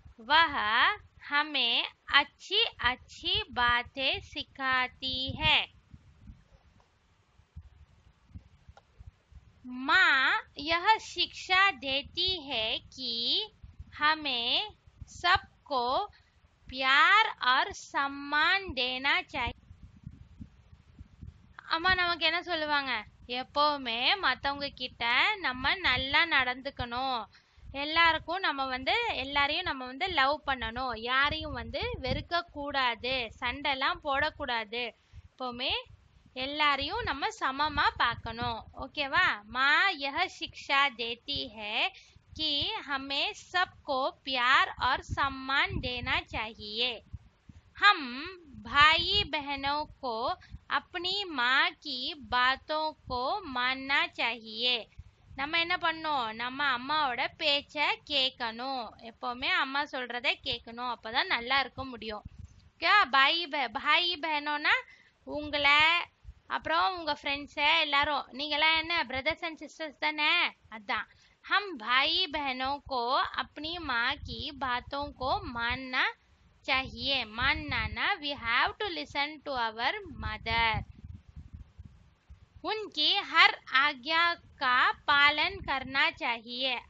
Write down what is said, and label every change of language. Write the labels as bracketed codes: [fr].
[hi] वह हमें अच्छी अच्छी बातें सिखाती है। माँ यह शिक्षा देती है कि हमें सबको प्यार और सम्मान देना चाहिए। [ta] अम्मा नमक என்ன சொல்லுவாங்க எப்பவுமே மத்தவங்க கிட்ட நம்ம நல்லா நடந்துக்கணும், எல்லாருக்கும் நம்ம வந்து எல்லாரையும் நம்ம வந்து லவ் பண்ணணும், யாரையும் வந்து வெறுக்க கூடாது, சண்டைலாம் போடக்கூடாது, எப்பவுமே எல்லாரையும் நம்ம சமமா பார்க்கணும். ஓகேவா? [hi] மா யஹ சிக்ஷா தேதி ஹே கி ஹமே சப்கோ பியார் ஆர் சம்மான் தேனா சாஹியே। ஹம் भाई बहनों को अपनी माँ की बातों को मानना चाहिए। [ta] நம்ம என்ன பண்ணோம், நம்ம அம்மாவோட பேச்ச கேட்கணும், எப்பவுமே அம்மா சொல்றத கேட்கணும், அப்பதான் நல்லா இருக்க முடியும். பாய் பெஹனோனா உங்களை அப்புறம் உங்க ஃப்ரெண்ட்ஸ் எல்லாரும், நீங்களாம் என்ன [en] brothers and sisters [ta] தானே, அதான் [hi] ஹம் பாய் பெஹனோ கோ அப்னி மா கி பாத்தோ கோ மான்னா சாஹியே, மான்னா [en] we have to listen to our mother, [hi] उनकी हर आज्ञा का पालन करना चाहिए।